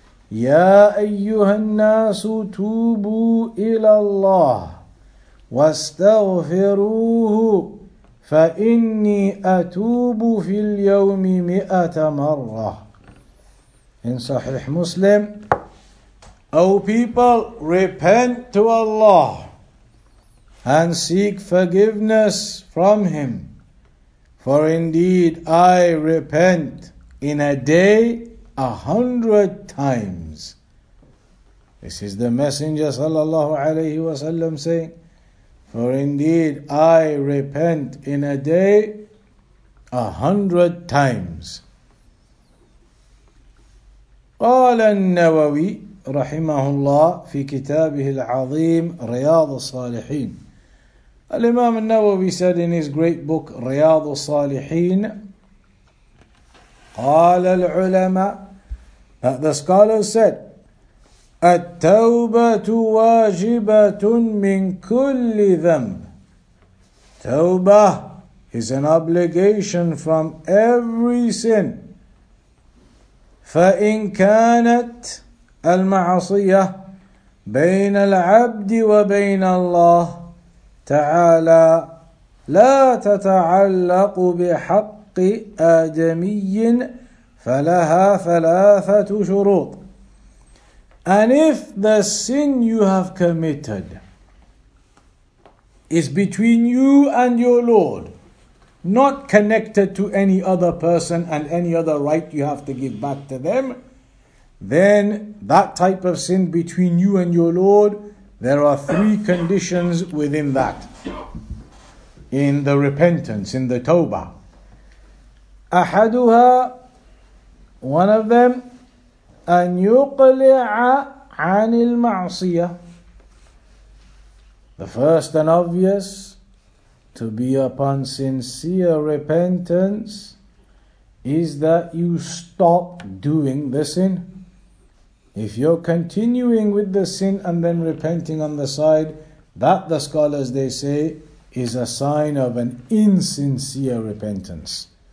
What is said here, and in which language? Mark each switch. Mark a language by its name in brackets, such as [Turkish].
[Arabic] يا أيها الناس توبوا إلى الله واستغفروه فإني أتوب في اليوم 100 مرة [English] in Sahih Muslim. O people, repent to Allah and seek forgiveness from Him. For indeed I repent in a day 100 times. This is the Messenger sallallahu alayhi wa sallam saying, for indeed I repent in a day 100 times. [Arabic] قال النووي رحمه الله في كتابه العظيم رياض الصالحين. الإمام النووي [English] said in his great book [Arabic] رياض الصالحين قال العلماء, [English] the scholars said, [Arabic] التوبة واجبة من كل ذنب. [English] توبة is an obligation from every sin. [Arabic] فإن كانت المعصية بين العبد وبين الله تعالى لا تتعلق بحق آدمي فلها ثلاثة شروط. [English] And if the sin you have committed is between you and your Lord, not connected to any other person and any other right you have to give back to them, then that type of sin between you and your Lord, there are three conditions within that, in the repentance, in the tawbah. [Arabic] أحدها, [English] one of them, [Arabic] أن يقلع عن المعصية. [English] The first and obvious, to be upon sincere repentance, is that you stop doing the sin. If you're continuing with the sin and then repenting on the side, that, the scholars, they say, is a sign of an insincere repentance.